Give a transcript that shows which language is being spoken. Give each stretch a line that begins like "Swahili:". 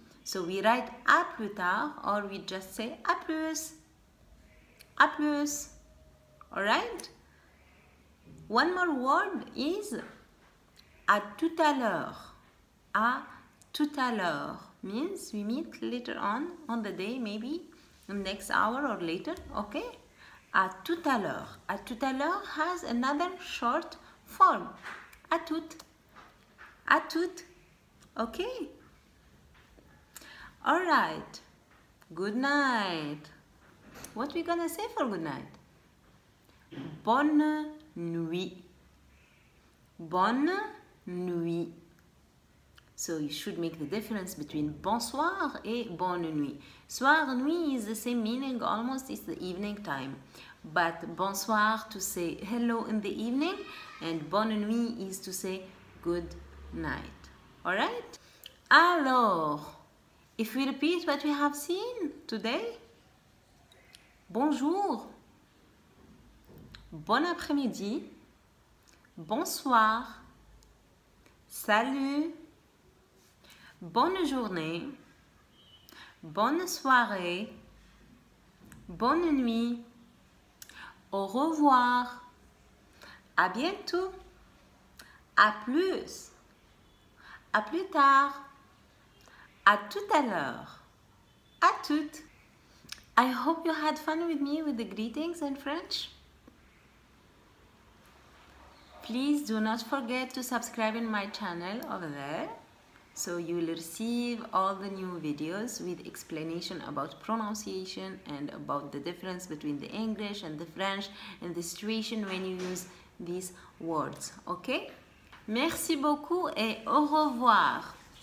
English: So we write
French: à plus tard
English: or we just say
French: à plus. À plus.
English: All right? One more word is
French: à tout à l'heure. À tout à l'heure
English: means we meet later on the day, maybe the next hour or later, okay?
French: À tout à l'heure. À tout à l'heure
English: has another short form.
French: À tout. À tout. Okay?
English: All right. Good night. What are we gonna say for good night?
French: Bonne nuit. Bonne nuit.
English: So you should make the difference between
French: bonsoir et bonne nuit.
English: Soir, nuit is the same meaning, almost it's the evening time. But bonsoir to say hello in the evening, and bonne nuit is to say good night. All right?
French: Alors,
English: if we repeat what we have seen today, bonjour,
French: bon après-midi, bonsoir, salut, bonne journée, bonne soirée, bonne nuit, au revoir, à bientôt, à plus, à plus tard, à tout à l'heure, à toutes.
English: I hope you had fun with me with the greetings in French. Please do not forget to subscribe in my channel over there, so you will receive all the new videos with explanation about pronunciation and about the difference between the English and the French and the situation when you use these words, okay?
French: Merci beaucoup et au revoir!